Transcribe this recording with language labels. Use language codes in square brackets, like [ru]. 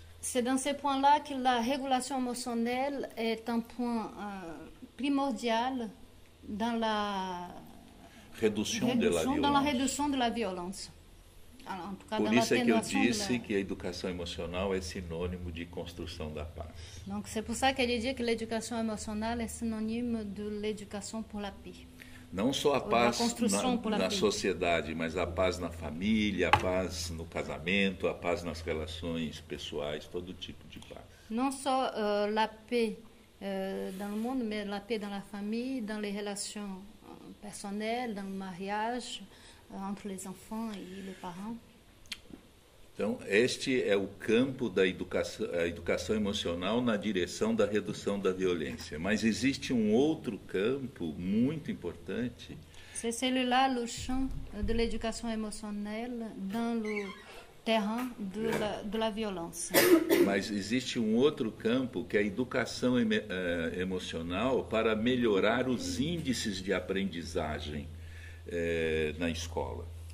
[fr] C'est dans ce point-là que la régulation émotionnelle est un point primordial dans la réduction de la violence. Dans la réduction de la violence. [pt] Por isso é que eu disse que a educação emocional é sinônimo de construção da paz. [fr] Donc c'est pour ça que je dis que l'éducation émotionnelle est synonyme de l'éducation pour la paix. [pt] Não só a paz na sociedade, mas a paz na família, a paz no casamento, a paz nas relações pessoais, todo tipo de paz. Não só [fr] la paix dans le monde, mais la paix dans la famille, dans les relations personnelles, dans le mariage, entre les enfants et les parents. [pt] Então, este é o campo da educação emocional na direção da redução da violência. Mas existe um outro campo muito importante. [fr] C'est celui-là, le champ de l'éducation émotionnelle, dans le terrain de, é. La, de la violence. [pt] Mas existe um outro campo, que é a educação emocional, para melhorar os índices de aprendizagem na escola.